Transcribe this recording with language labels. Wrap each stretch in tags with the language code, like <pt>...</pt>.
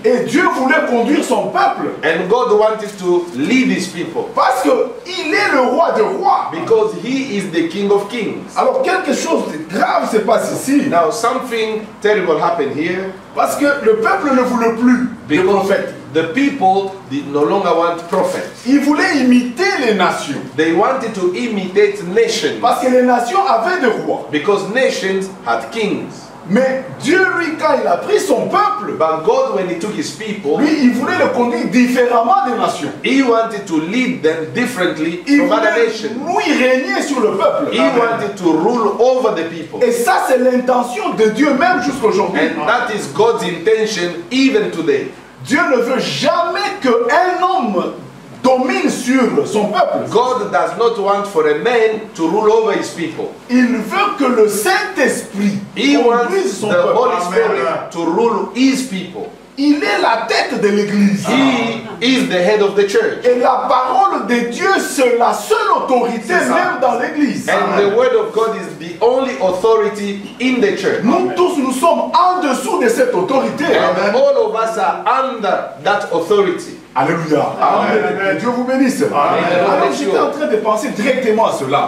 <fr>Et Dieu voulait conduire son peuple.</fr> <en>And God wanted to lead his people.</en> <fr>Parce que il est le roi des rois.</fr> <en>Because he is the king of kings.</en> <fr>Alors quelque chose de grave se passe ici.</fr> <en>Now something terrible happened here.</en> <fr>Parce que le peuple ne voulait plus le prophète.</fr> <en>The people did no longer want prophets.</en> <fr>Ils voulaient imiter les nations.</fr> <en>They wanted to imitate nations.</en> <fr>Parce que les nations avaient des rois.</fr> <en>Because nations had kings.</en> <fr>Mais Dieu lui, quand il a pris son peuple,</fr> <en>but God when he took his people,</en> <fr>lui il voulait le conduire différemment des nations.</fr> <en>He wanted to lead them differently</en> <fr>il</fr> <en>from other nations.</en> <fr>Il voulait lui régner sur le peuple.</fr> <en>He Amen. Wanted to rule over the people.</en> <fr>Et ça c'est l'intention de Dieu même jusqu'à aujourd'hui.</fr> <en>And that is God's intention even today.</en> <fr>Dieu ne veut jamais qu'un homme domine sur son peuple.</fr> <en>God does not want for a man to rule over his people.</en> <fr>Il veut que le Saint-Esprit conduise son peuple.</fr> <en>He wants the Holy Spirit to rule his people.</en> <fr>Il est la tête de l'Église.</fr> <en>He is the head of the church.</en> <fr>Et la parole de Dieu c'est la seule autorité même dans l'église.</fr> <en>And the word of God is the only authority in the church.</en> <fr>Nous tous nous sommes en dessous de cette autorité.</fr> <en>Amen. All of us are under that authority.</en> <fr>Alléluia.</fr> <en>Amen.</en> <fr>Dieu vous bénisse.</fr> <en>Amen.</en> <fr>J'étais en train de penser directement à cela.</fr>